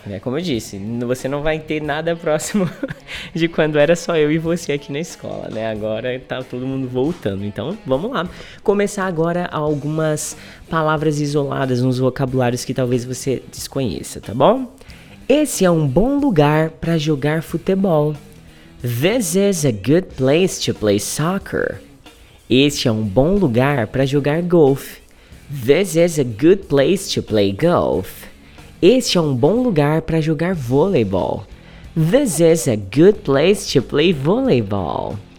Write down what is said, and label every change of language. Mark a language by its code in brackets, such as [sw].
[pt] É como eu disse, você não vai ter nada próximo de quando era só eu e você aqui na escola, né? Agora tá todo mundo voltando, então vamos lá. Começar agora algumas palavras isoladas, uns vocabulários que talvez você desconheça, tá bom? Esse é um bom lugar para jogar futebol. [en] This is a good place to play soccer. [pt] Este é um bom lugar para jogar golfe. [en] This is a good place to play golf. [pt] Este é um bom lugar para jogar voleibol. [en] This is a good place to play volleyball.